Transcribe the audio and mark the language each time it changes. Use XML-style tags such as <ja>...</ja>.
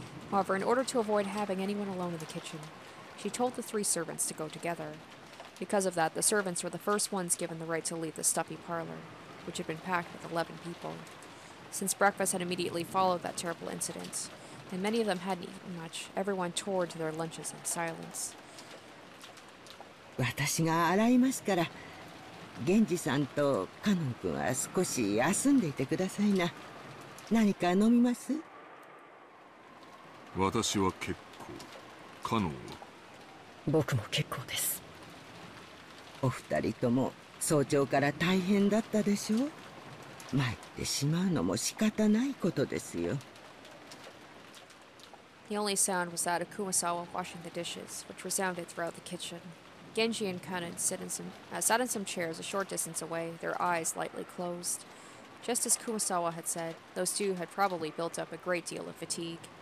<en>However, in order to avoid having anyone alone in the kitchen, she told the three servants to go together. Because of that, the servants were the first ones given the right to leave the stuffy parlor, which had been packed with 11 people. Since breakfast had immediately followed that terrible incident,And many of them hadn't eaten much. Everyone tore to their lunches in silence.</en> <ja>私が洗いますから、源氏さんとカノン君は少し休んでいてくださいな。何か飲みます？私は結構。カノンは？僕も結構です。お二人とも早朝から大変だったでしょう。参ってしまうのも仕方ないことですよ。</ja> <en>The only sound was that of Kumasawa washing the dishes, which resounded throughout the kitchen. Genji and Kanon sat in some chairs a short distance away, their eyes lightly closed. Just as Kumasawa had said, those two had probably built up a great deal of fatigue.</en>